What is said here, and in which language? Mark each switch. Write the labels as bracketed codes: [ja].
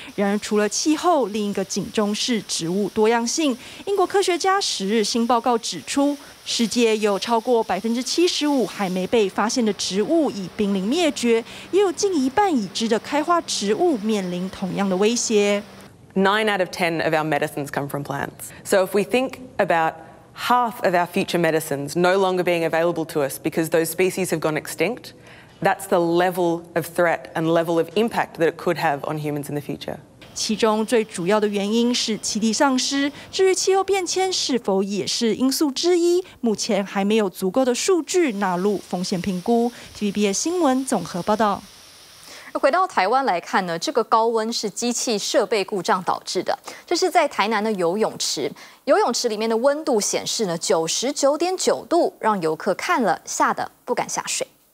[zh] 然而，除了气候，另一个警钟是植物多样性。英国科学家十日新报告指出，世界有超过75%还没被发现的植物已濒临灭绝，也有近一半已知的开花植物面临同样的威胁。 [en] 9 out of 10 of our medicines come from plants. So if we think about half of our future medicines no longer being available to us because those species have gone extinct, that's the level of threat and level of impact that it could have on humans in the future. [zh] 其中最主要的原因是栖地丧失，至于气候变迁是否也是因素之一，目前还没有足够的数据纳入风险评估。 TVBS 新闻综合报道。回到台湾来看呢，这个高温是机器设备故障导致的，这是在台南的游泳池，游泳池里面的温度显示呢99.9度，让游客看了吓得不敢下水。